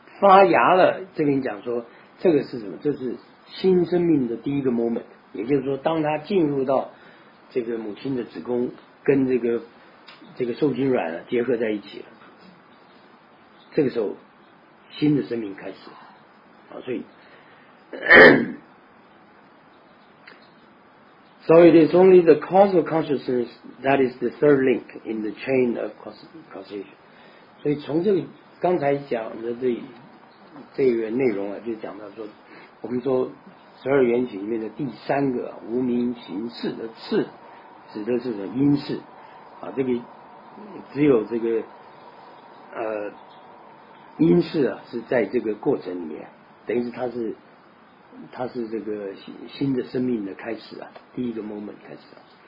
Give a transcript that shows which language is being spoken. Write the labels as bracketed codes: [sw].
[zh] 发芽了，这边讲说这个是什么？这是新生命的第一个 moment， 也就是说，当它进入到这个母亲的子宫，跟这个受精卵、啊、结合在一起了，这个时候新的生命开始了啊，所以。 [en] So it is only the causal consciousness that is the third link in the chain of causation. [zh] 所以从这个刚才讲的这个内容啊，就讲到说，我们说十二缘起里面的第三个无名行识的次，指的是什么因识啊？这个只有这个因识啊，是在这个过程里面，等于是它是这个新的生命的开始啊，第一个 moment 开始啊。